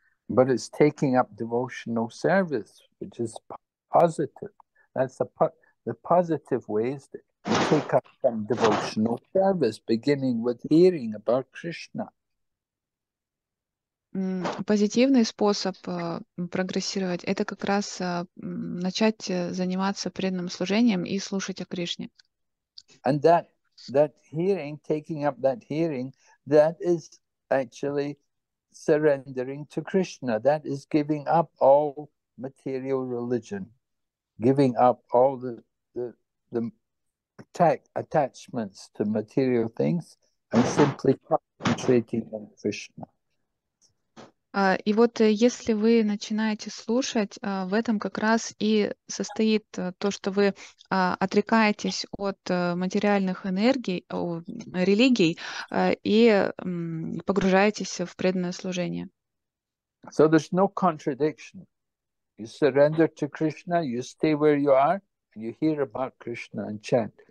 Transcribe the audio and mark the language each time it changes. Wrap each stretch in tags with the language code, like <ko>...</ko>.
<en>But it's taking up devotional service, which is positive. That's the positive ways that take up some devotional service, beginning with hearing about Krishna.</en> <ru>Позитивный способ прогрессировать – это как раз начать заниматься преданным служением и слушать о Кришне.</ru> <en>And that hearing, taking up that hearing, that is actually surrendering to Krishna. That is giving up all material religion, giving up all the attachments to material things and simply concentrating on Krishna.</en> <ru>И вот если вы начинаете слушать, в этом как раз и состоит то, что вы отрекаетесь от материальных энергий, религий, и погружаетесь в преданное служение.</ru> <en>So there's no contradiction. You surrender to Krishna, you stay where you are, and you hear about Krishna and chant.</en>